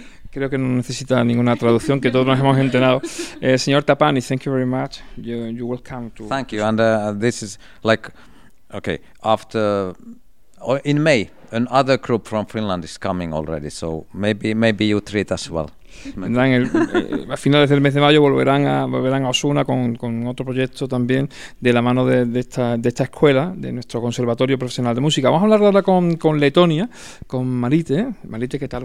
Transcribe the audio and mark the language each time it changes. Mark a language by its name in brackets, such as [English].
[Spanish] Creo que no necesita ninguna traducción, que todos nos hemos enterado. [English] Señor Tapani, thank you very much. You're welcome to. Thank you. And this is like, okay, after in May, another group from Finland is coming already. So maybe you treat us well. [Spanish] Vendrán a finales del mes de mayo, volverán a Osuna con otro proyecto también de la mano de esta escuela, de nuestro Conservatorio Profesional de Música. Vamos a hablar ahora con Letonia, con Marite. Marite, ¿qué tal?